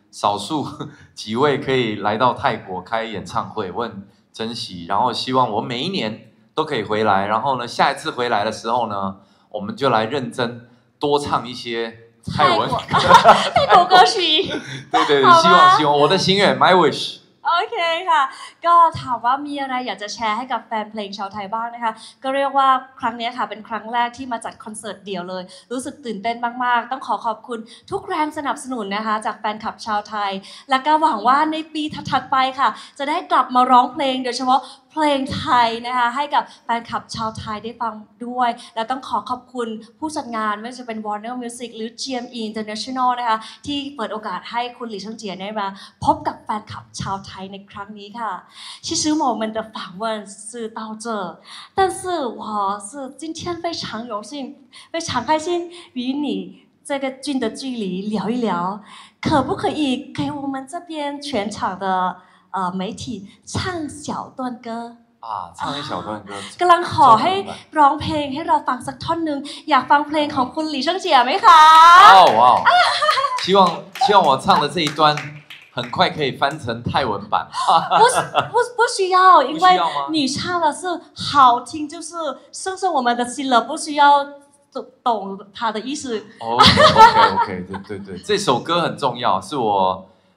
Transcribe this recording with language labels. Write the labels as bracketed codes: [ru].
[zh] 少数几位可以来到泰国开演唱会，我很珍惜，然后希望我每一年都可以回来，然后呢，下一次回来的时候呢，我们就来认真多唱一些泰文泰国歌曲。对对对，希望我的心愿 ， [en] My wish。 [th] โอเคค่ะก็ถามว่ามีอะไรอยากจะแชร์ให้กับแฟนเพลงชาวไทยบ้างนะคะก็เรียกว่าครั้งนี้ค่ะเป็นครั้งแรกที่มาจัดคอนเสิร์ตเดี่ยวเลยรู้สึกตื่นเต้นมากๆต้องขอขอบคุณทุกแรงสนับสนุนนะคะจากแฟนคลับชาวไทย และก็หวังว่าในปีถัดไปค่ะจะได้กลับมาร้องเพลงโดยเฉพาะเพลงไทยนะคะให้กับแฟนคลับชาวไทยได้ฟังด้วยแล้วต้องขอขอบคุณผู้จัดงานไม่ว่าจะเป็น Warner Music หรือ GME International นะคะที่เปิดโอกาสให้คุณหลี่ช่างเจียได้มา พบกับแฟนคลับชาวไทยในครั้งนี้ค่ะชื่อชื่อ Moment of Fun สื่อเต่าเจอ [zh] 但是我是今天非常有幸非常开心与你这个近的距离聊一聊可不可以给我们这边全场的媒体唱小段歌啊，唱一小段歌。 [th] กำลังขอให้ร้องเพลงให้เราฟังสักท่อนนึงอยากฟังเพลงของคุณหลี่ช่างเจียไหมคะ？ [zh] 哦哇！希望我唱的这一段很快可以翻成泰文版。不需要，因为你唱的是好听，就是深深我们的心了，不需要懂他的意思。 OK， 对对对，这首歌很重要，是我。